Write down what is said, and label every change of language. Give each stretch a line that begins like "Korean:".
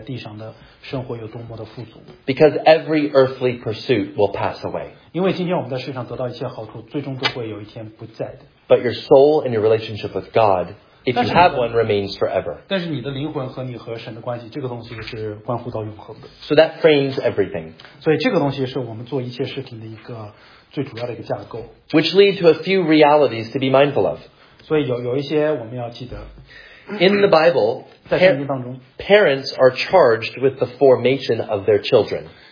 Chinese: 那最重要的是他们怎么样去面对审判日那一天，而不是他们在今天在地上的生活有多么的富足。
English: Because every earthly pursuit will pass away.
Chinese: 因为今天我们在世上得到一切好处，最终都会有一天不在的。
English: But your soul and your relationship with God, if you have one, remains forever.
Chinese: 但是你的灵魂和你和神的关系，这个东西是关乎到永恒的。
English: So that frames everything.
Chinese: 所以这个东西是我们做一切事情的一个最主要的一个架构。
English: Which lead to a few realities to be mindful of.
Chinese: 所以有一些我们要记得。
English: In the Bible,
Chinese: 在圣经当中,
English: parents are charged with the formation of their children.